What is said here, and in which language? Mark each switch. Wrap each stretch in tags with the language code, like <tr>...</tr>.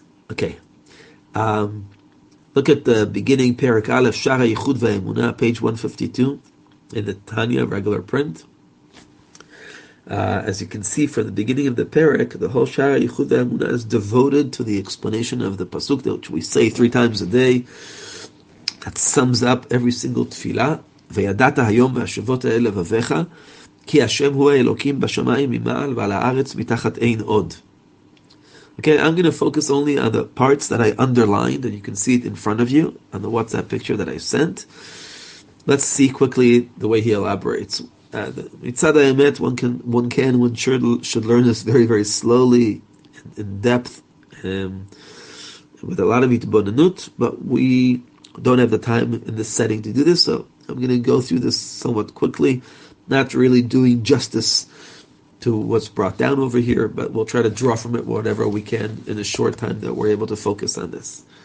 <en>Okay. Look at the beginning, Perek Aleph, Shara Yichud V'Emunah, page 152 in the Tanya, regular print. As you can see from the beginning of the Perek, the whole Shara Yichud V'Emunah is devoted to the explanation of the Pasuk, which we say three times a day. That sums up every single tefillah.</en> <he>וידעת היום והשבות אל לבביך, כי השם הוא האלוקים בשמיים ממעל ועל הארץ מתחת אין עוד.</he> <en>Okay, I'm going to focus only on the parts that I underlined, and you can see it in front of you, on the WhatsApp picture that I sent. Let's see quickly the way he elaborates.</en> <he>מצד האמת,</he> <en>one should learn this very, very slowly, in depth, with a lot of התבוננות, but we don't have the time in this setting to do this, so I'm going to go through this somewhat quickly, not really doing justice to what's brought down over here, but we'll try to draw from it whatever we can in a short time that we're able to focus on this.</en>